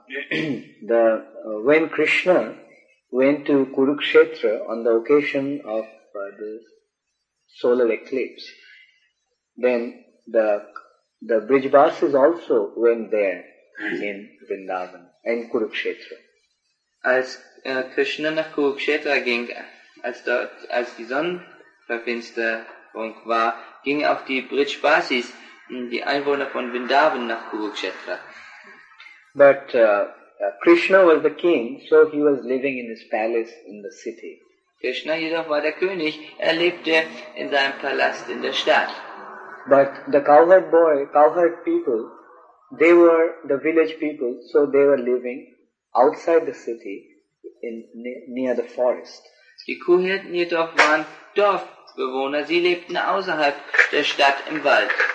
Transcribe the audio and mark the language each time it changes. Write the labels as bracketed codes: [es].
[en] When Krishna went to Kurukshetra on the occasion of the solar eclipse, then the Brijvasis also went there in Vrindavan, in Kurukshetra. [de] Als Krishna nach Kurukshetra ging, als die Sonnenverfinsterung war, gingen auch die Brijvasis, die Einwohner von Vrindavan, nach Kurukshetra. [en] But Krishna was the king, so he was living in his palace in the city. [de] Krishna jedoch war der König, er lebte in seinem Palast in der Stadt. [en] But the cowherd people, they were the village people, so they were living outside the city, near the forest. [de] Die Kuhhirten jedoch waren Dorfbewohner, sie lebten außerhalb der Stadt im Wald.